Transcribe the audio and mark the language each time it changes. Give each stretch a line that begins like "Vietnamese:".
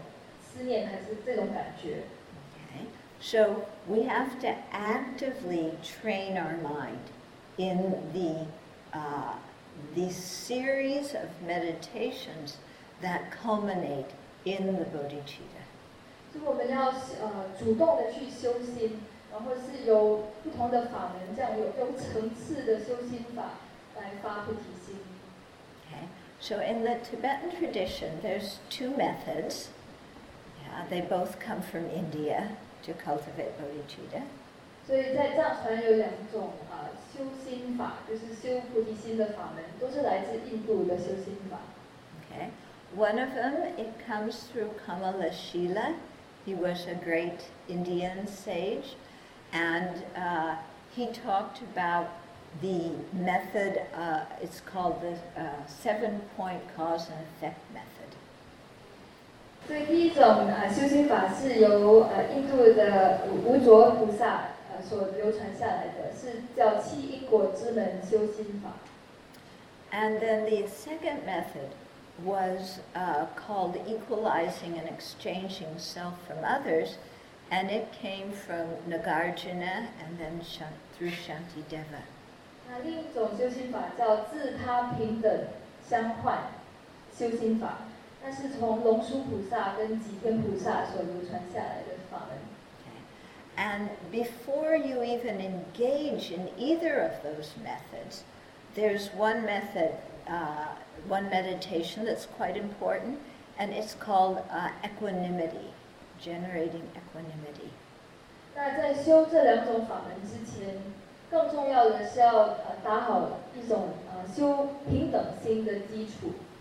Chinese: 因为我们口头上可以说，哦，我要利益所有的众生，带他们成佛。但是我们在心里可能其实没有这种思念，还是这种感觉。
English: Okay. So we have to actively train our mind in the series of meditations that culminate in the bodhicitta.
Chinese: 就我们要主动的去修心。然后是由不同的法门，这样有层次的修心法来发菩提心。
English: Okay. So in the Tibetan tradition, there's two methods. Yeah, they both come from India to cultivate bodhicitta.
Chinese: 所以在藏传有两种啊修心法，就是修菩提心的法门，都是来自印度的修心法。
English: Okay. One of them, it comes through Kamala Shila. He was a great Indian sage. And he talked about the method, it's called the 7-point cause and effect method.
Chinese: 所以第一种修行法是由印度的无着菩萨所流传下来的，是叫七因果之门修行法。
English: And then the second method was called equalizing and exchanging self from others, and it came from Nagarjuna and then through Shantideva.
Chinese: 那另一种修心法叫自他平等相换修心法，那是从龙树菩萨跟吉天菩萨所流传下来的法门。
English: Okay. And before you even engage in either of those methods, there's one method, one meditation that's quite important, and it's called equanimity, generating equanimity.
Chinese: 那在修这两种法门之前，更重要的是要打好一种修平等心的基础。